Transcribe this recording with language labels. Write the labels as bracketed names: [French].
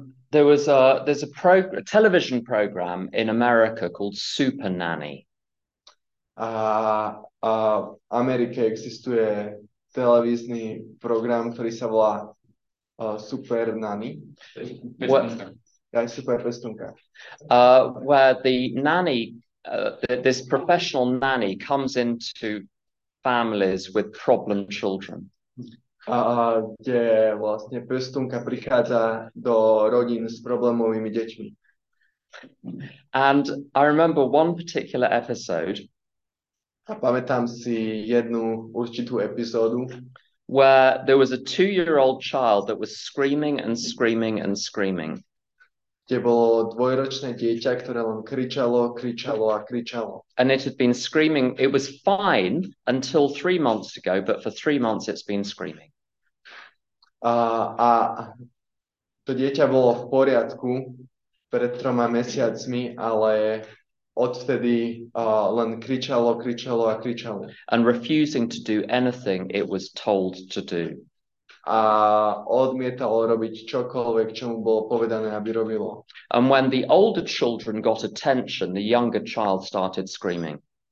[English] There's a television program in America called Super Nanny. [Slovak] A v Amerike existuje televízny program, ktorý sa volá Super Nanny. Super Pestunka. [English] Where the nanny, this professional nanny comes into families with problem children. [Slovak] Kde vlastne Pestunka prichádza do rodín s problémovými deťmi. [English] And I remember one particular episode. [Slovak] A pamätám si jednu určitú epizódu, [English] where there was a 2-year-old child that was screaming and screaming and screaming. [Slovak] Kde bolo dvojročné dieťa, ktoré len kričalo, kričalo a kričalo. [English] And it had been screaming, it was fine until 3 months ago, but for 3 months it's been screaming. [Slovak] A to dieťa bolo v poriadku pred 3 mesiacmi, ale odvtedy len kričalo, kričalo a kričalo. [English] And refusing to do anything it was told to do. [Slovak] A odmietalo robiť čokoľvek, čo mu bolo povedané, aby robilo. [English] And when the older children got attention, the younger child started screaming.